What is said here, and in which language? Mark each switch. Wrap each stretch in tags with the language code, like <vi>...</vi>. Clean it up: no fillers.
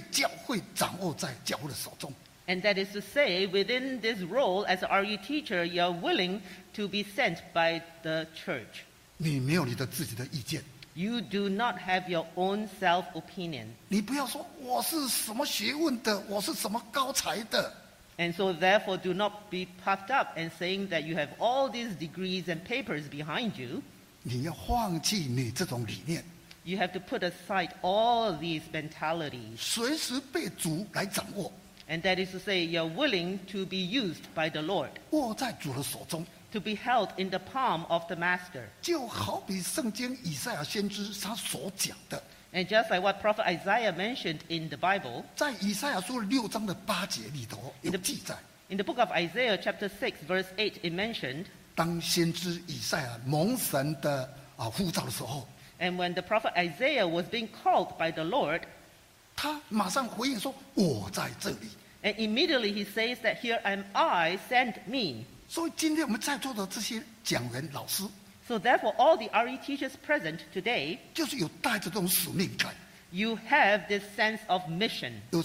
<zh>所以等于是说，你在这个工作的环境里头，就随时被教会掌握在教会的手中。</zh> <en>And that is to say, within this role as an RE teacher, you are willing to be sent by the church.</en> <zh>你没有你的自己的意见。</zh> <en>You do not have your own self-opinion.</en> <zh>你不要说我是什么学问的，我是什么高才的。</zh> <en>And so therefore do not be puffed up and saying that you have all these degrees and papers behind you.</en> <zh>你要放弃你这种理念。</zh> <en>You have to put aside all these mentalities.</en> <zh>随时被主来掌握。</zh> <en>And that is to say you're willing to be used by the Lord.</en> <zh>握在主的手中。</zh> <en>To be held in the palm of the master.</en> <zh>就好比圣经以赛亚先知他所讲的。</zh> <en>And just like what Prophet Isaiah mentioned in the Bible,</en> <zh>在以赛亚书六章的八节里头有记载,</zh> <en>in the book of Isaiah, chapter 6, verse 8, it mentioned,</en> <zh>当先知以赛亚蒙神的呼召的时候,</zh> <en>and when the Prophet Isaiah was being called by the Lord,</en> <zh>他马上回应说, 我在这里,</zh> <en>and immediately he says that, here am I, send me.</en> <zh>所以今天我们在座的这些讲员老师,</zh> <en>so therefore, all the RE teachers present today, you have this sense of mission.</en>